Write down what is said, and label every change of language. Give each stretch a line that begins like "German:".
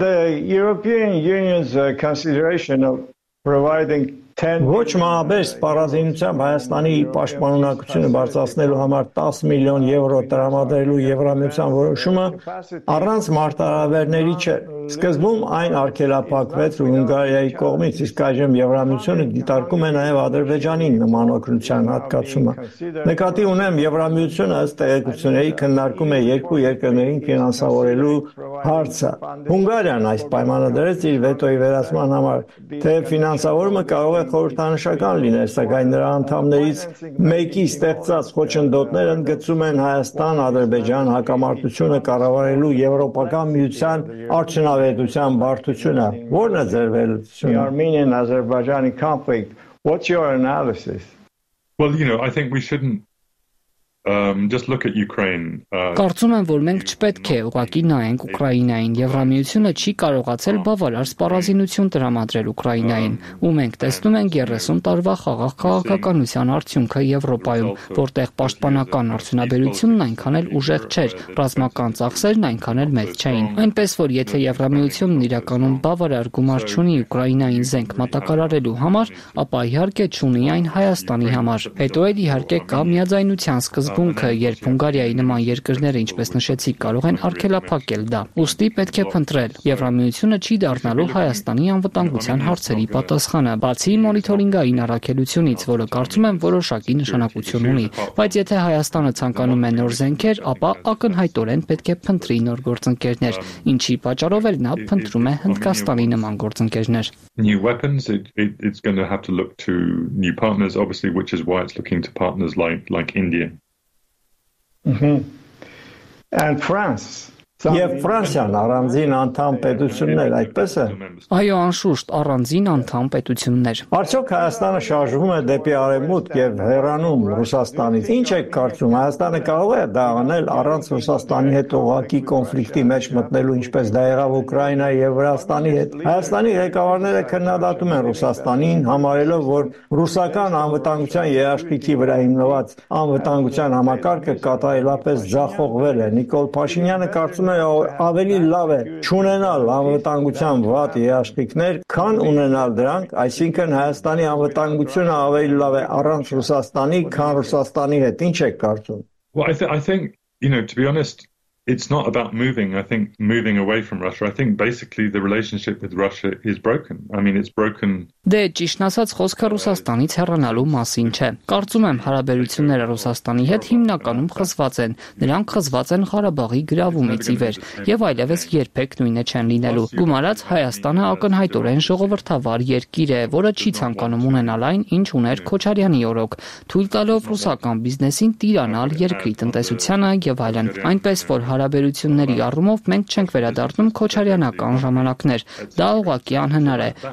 English: the European Union's consideration of providing
Armenian: Ոչ մահաբեր սպառազինությամբ Հայաստանի պաշտպանունակությունը բարձրացնելու համար 10 միլիոն եվրո տրամադրելու Եվրամիության որոշումը առանց մարտահրավերների չէ։ Սկզբում այն արգելափակվեց Հունգարիայի կողմից, իսկ այժմ Եվրամիությունը դիտարկում է նաև Ադրբեջանի նմանօգնության հատկացումը։ Նկատի ունեմ, Եվրամիությունը ըստ տեղեկությունների քննարկում է երկու երկրներին ֆինանսավորելու հարցը։ Հունգարիան այս պայմանադրեց իր վետոյի վերացման համար, թե ֆինանսավորումը կարող է խորհրդանշական լինել, սակայն նրա անդամներից մեկի ստեղծած խոչընդոտներ ընդգծում են Հայաստան-Ադրբեջան հակամարտությունը կառավարելու Եվրոպական միության արդյունավետության բարդությունը։ Ո՞րն է ձեր վերլուծությունը։
English: Armenian-Azerbaijani conflict. What's your analysis? Well, you know, I think we shouldn't just look at Ukraine.
Armenian: Կարծում եմ, որ մենք չպետք է ուղղակի նայենք Ուկրաինային։ Եվրամիությունը չի կարողացել բավարար սպառազինություն տրամադրել Ուկրաինային, ու մենք տեսնում ենք 30 տարվա խաղաղ քաղաքականության արդյունքը Եվրոպայում, որտեղ պաշտպանական արդյունաբերությունն այնքան էլ ուժեղ չէր, ռազմական ծախսերն այնքան էլ մեծ չէին։ Այնպես որ եթե Եվրամիությունն իրականում բավարար գումար չունի Ուկրաինային զենք մատակարարելու համար, ապա իհարկե չունի այն Հայաստանի համար։ Հետո էլ իհարկե կա միաձայնության սկզբունքը, երբ Հունգարիայի նման երկրները, ինչպես նշեցի, կարող են արգելափակել դա։ Ուստի պետք է փնտրել։ Եվրամիությունը չի դառնալու Հայաստանի անվտանգության հարցերի պատասխանը, բացի մոնիթորինգային առաքելությունից, որը կարծում եմ որոշակի նշանակություն ունի, բայց եթե Հայաստանը ցանկանում է նոր զենքեր, ապա ակնհայտորեն պետք է փնտրի նոր գործընկերներ, ինչի պատճառով էլ նա փնտրում է Հնդկաստանի նման գործընկերներ։
English: New weapons, it's going to have to look to new partners, obviously, which is why it's looking to partners like India. Mm-hmm. And France.
Armenian: Եվ Ֆրանսիան առանձին անդամ պետություններ, այդպես է։ Այո, անշուշտ առանձին անդամ պետություններ։ Արդյոք Հայաստանը շարժվում է դեպի արևմուտք եւ հեռանում Ռուսաստանից։ Ինչ եք կարծում, Հայաստանը կարող է դա անել առանց Ռուսաստանի հետ ողակի կոնֆլիկտի մեջ մտնելու, ինչպես դա եղավ Ուկրաինայի եւ Վրաստանի հետ։ Հայաստանի ղեկավարները քննադատում են Ռուսաստանին, համարելով, որ ռուսական անվտանգության երաշխիքի վրա հիմնված անվտանգության համակարգը կատարելապես ձախողվել է։ Նիկոլ Փաշինյանը կարծում է, որ ավելի լավ է չունենալ անվտանգության վատ երաշխիքներ, քան ունենալ դրանք, այսինքն Հայաստանի անվտանգությունը ավելի լավ է առանց Ռուսաստանի, քան Ռուսաստանի հետ։ Ինչ եք կարծում։ Well, I think, you know, to be honest, it's not about moving. I think moving away from Russia. I think basically the relationship with Russia is broken. I mean, it's broken. Դե ճիշտ ասած, խոսքը Ռուսաստանից հեռանալու մասին չէ։ Կարծում եմ, հարաբերությունները Ռուսաստանի հետ հիմնականում խզված են։ Նրանք խզված են Ղարաբաղի գրավումից ի վեր, եւ այլևս երբեք նույնը չեն լինելու։ Գումարած Հայաստանը ակնհայտորեն ժողովրդավար երկիր է, որը չի ցանկանում ունենալ այն, ինչ ուներ Քոչարյանի օրոք, թույլ տալով ռուսական բիզնեսին տիրանալ երկրի տնտեսությանը եւ այլն։ Այնպես որ հարաբերությունների առումով մենք չենք վերադառնում քոչարյանական ժամանակներ։ Դա ուղղակի անհնար է։